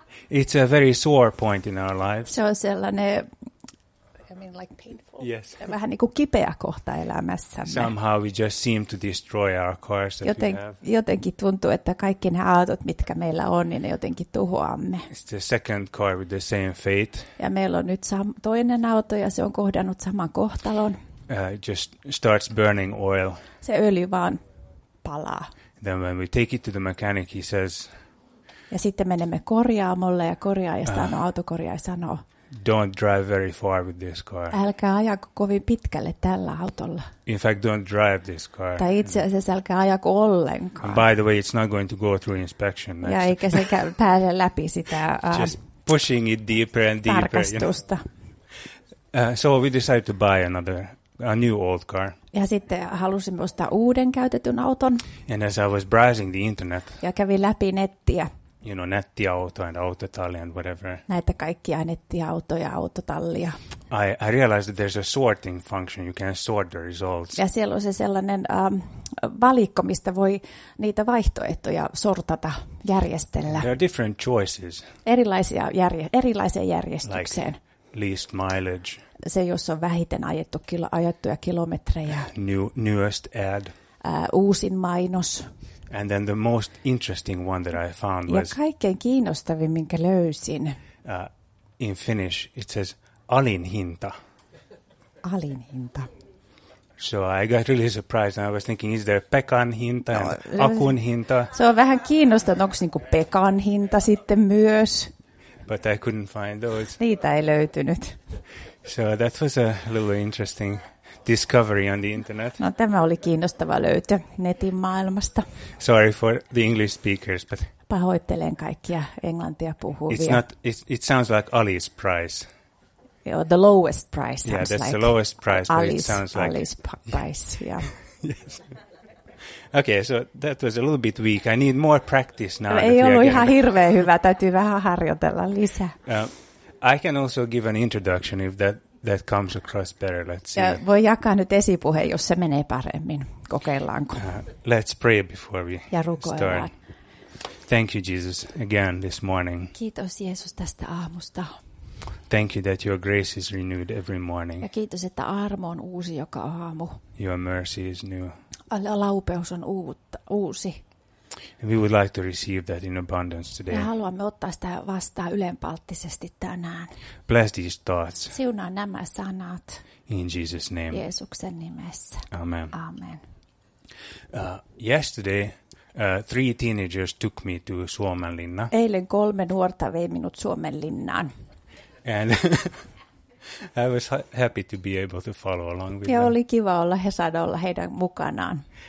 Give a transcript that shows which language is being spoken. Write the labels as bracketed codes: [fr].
[en] It's a very sore point in our lives. [fi] Se on sellainen, [en] I mean like painful. Yes. [fi] Vähän niin kuin kipeä kohta elämässämme. [en] Somehow we just seem to destroy our cars that we have. [fi] Jotenkin tuntuu, että kaikki ne autot, mitkä meillä on, niin ne jotenkin tuhoamme. [en] It's the second car with the same fate. [fi] Ja meillä on nyt toinen auto ja se on kohdannut saman kohtalon. [en] Just starts burning oil. [fi] Se öljy vaan palaa. [en] Then when we take it to the mechanic, he says... [fi] Ja sitten menemme korjaamolle ja korjaaja sanoo, autokorjaaja sanoo... [en] Don't drive very far with this car. [fi] Älkää ajako kovin pitkälle tällä autolla. [en] In fact, don't drive this car. [fi] Tai itse asiassa älkää ajako ollenkaan. [en] And by the way, it's not going to go through inspection. [fi] Ja eikä se pääse läpi sitä... [en] just pushing it deeper and deeper. [fi] Tarkastusta. [en] So we decided to buy another... A new old car. [fi] Ja sitten halusin ostaa uuden käytetyn auton. [en] And as I was browsing the internet. [fi] Ja kävin läpi nettiä. [en] You know, nettiauto and autotalli and whatever. [fi] Näitä kaikkia nettiautoja, autotallia. [en] I realized that there's a sorting function. You can sort the results. [fi] Ja siellä on se sellainen valikko, mistä voi niitä vaihtoehtoja sortata, järjestellä. [en] There are different choices. [fi] Erilaiseen järjestykseen. [en] Like least mileage. [fi] Se, jos on vähiten ajettuja kilometrejä. [en] Newest ad. [fi] Uusin mainos. [en] And then the most interesting one that I found [fi] ja [en] was... [fi] Ja kaikkein kiinnostavin, minkä löysin. [en] In Finnish it says [fi] alin hinta. Alin hinta. [en] So I got really surprised and I was thinking, is there [fi] Pekan hinta [en] and [fi] Akun hinta? Se on vähän kiinnostavaa, onko niinku Pekan hinta sitten myös. [en] But I couldn't find those. [fi] Niitä ei löytynyt. [en] So that was a little interesting discovery on the internet. [fi] No, tämä oli kiinnostava löytö netin maailmasta. [en] Sorry for the English speakers, but... [fi] Pahoittelen kaikkia englantia puhuvia. [en] It's not, it sounds like Ali's price. Yeah, the lowest price sounds yeah, that's like the lowest price, Ali's, but it sounds like... Ali's price, yeah. Yes. Okay, so that was a little bit weak. I need more practice now. [fi] Ei ollut ihan hirveän hyvä, täytyy vähän harjoitella lisää. [en] I can also give an introduction if that comes across better. Let's see. [fi] Ja voi jakaa nyt esipuheen, jos se menee paremmin. Kokeillaanko? [en] Let's pray before we [fi] ja rukoillaan. [en] Thank you, Jesus, again this morning. [fi] Kiitos, Jeesus, tästä aamusta. [en] Thank you that your grace is renewed every morning. [fi] Ja kiitos, että armo on uusi joka aamu. [en] Your mercy is new. [fi] Laupeus on uusi. [en] And we would like to receive that in abundance today. [fi] Me haluamme ottaa sitä vastaan ylenpalttisesti tänään. [en] Bless these thoughts. [fi] Siunaa nämä sanat. [en] In Jesus' name. [fi] Jeesuksen nimessä. [en] Amen. [fi] Amen. [en] Yesterday, three teenagers took me to Suomenlinna. [fi] Eilen kolme nuorta vei minut Suomenlinnaan. [en] And I was happy to be able to follow along with them. [fi] Ja oli kiva olla, he saada olla heidän mukanaan.